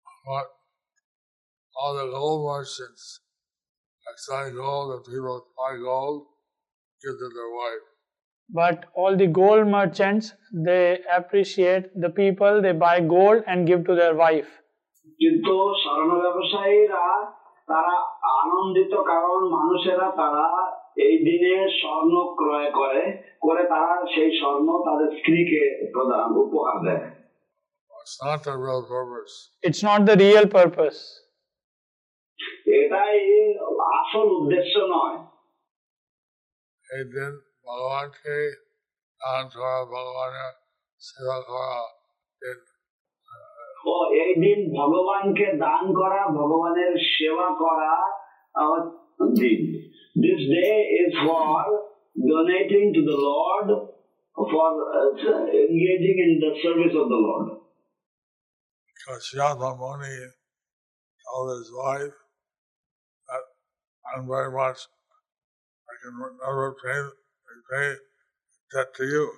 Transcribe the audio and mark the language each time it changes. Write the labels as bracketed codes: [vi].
[en] What all the gold merchants, excise gold and people buy gold, give to their wife. But all the gold merchants, they appreciate the people, they buy gold and give to their wife. [bn] কিন্তু স্বর্ণ ব্যবসায়ীরা তারা আনন্দিত কারণ মানুষেরা তারা এই দিনে স্বর্ণ ক্রয় করে করে তারা সেই স্বর্ণ তাদের স্ত্রীকে প্রদান উপহার দেয়। [en] It's not the real purpose. It's not the real purpose. [bn] এটাই আসল উদ্দেশ্য নয়। এই দিন ভগবানকে দান করা, ভগবানের সেবা করা দিন। এই দিন ভগবানকে দান করা, ভগবানের সেবা করা দিন। [en] This day is for donating to the Lord, for engaging in the service of the Lord. Kashyapa Muni told his wife that I'm very much, I can never repay debt to you.